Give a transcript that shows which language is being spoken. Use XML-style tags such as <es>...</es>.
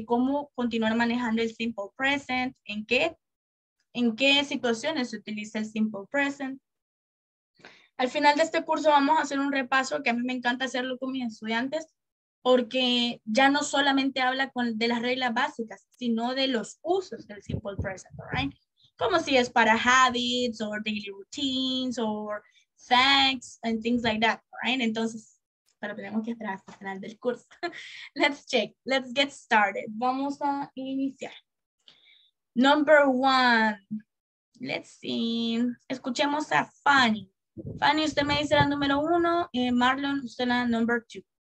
<es>De cómo continuar manejando el simple present, en qué situaciones se utiliza el simple present. Al final de este curso vamos a hacer un repaso, que a mí me encanta hacerlo con mis estudiantes, porque ya no solamente habla de las reglas básicas, sino de los usos del simple present, right? Como si es para</es> <en>habits, or daily routines, or thanks, and things like that, right?</en> <es>Entonces, pero tenemos que esperar hasta el final del curso.</es> <en>Let's check. Let's get started.</en> <es>Vamos a iniciar.</es> <en>Number one. Let's see.</en> <es>Escuchemos a Fanny. Fanny, usted me dice la número uno. Y Marlon, usted la number two.</es>